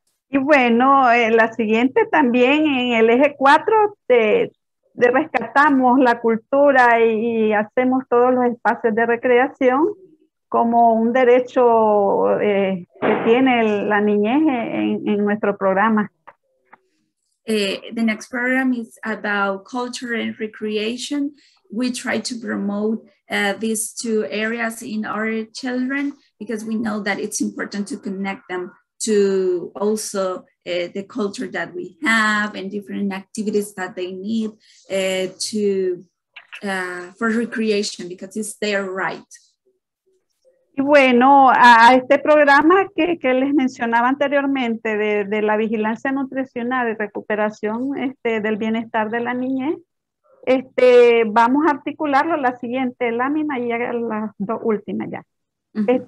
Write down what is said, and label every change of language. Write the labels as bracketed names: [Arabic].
[Spanish] Y bueno, la siguiente también en el eje 4 de rescatamos la cultura y hacemos todos los espacios de recreación como un derecho que tiene la niñez en nuestro programa. [English] The next program is about culture and recreation. We try to promote these two areas in our children because we know that it's important to connect them to also the culture that we have and different activities that they need for recreation because it's their right. [Spanish] Y bueno, a este programa que les mencionaba anteriormente de la vigilancia nutricional y recuperación del bienestar de la niñez, vamos a articularlo la siguiente lámina y las dos últimas ya. Uh-huh.